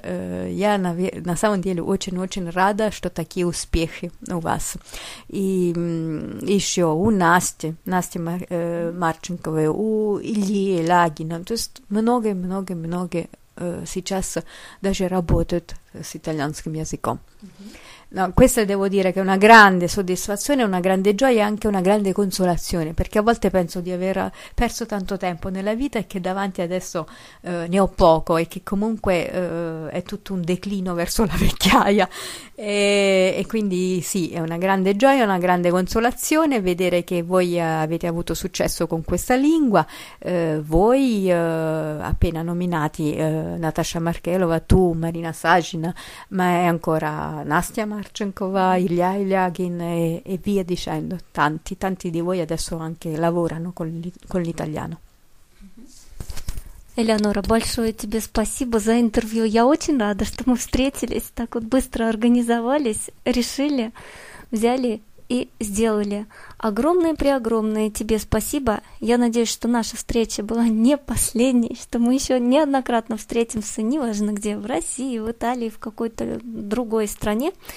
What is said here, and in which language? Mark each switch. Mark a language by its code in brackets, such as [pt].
[ru] Я на самом деле очень-очень рада, что такие успехи у вас. И еще у Насти Марченковой, у Ильи Лагина, то есть многие-многие-многие сейчас даже работают с итальянским языком. [it] No, questa devo dire che è una grande soddisfazione, una grande gioia e anche una grande consolazione, perché a volte penso di aver perso tanto tempo nella vita e che davanti adesso ne ho poco e che comunque è tutto un declino verso la vecchiaia. E quindi sì, è una grande gioia, una grande consolazione vedere che voi avete avuto successo con questa lingua, voi appena nominati, Natasha Markelova, tu, Marina Sajina, ma è ancora Nastia Marcinkova, Ilya Ilyagin e via dicendo, tanti, tanti di voi adesso anche lavorano con l'italiano. [ru] Элеонора, большое тебе спасибо за интервью. Я очень рада, что мы встретились, так вот быстро организовались, решили, взяли и сделали. Огромное-преогромное тебе спасибо. Я надеюсь, что наша встреча была не последней, что мы еще неоднократно встретимся, неважно где, в России, в Италии, в какой-то другой стране.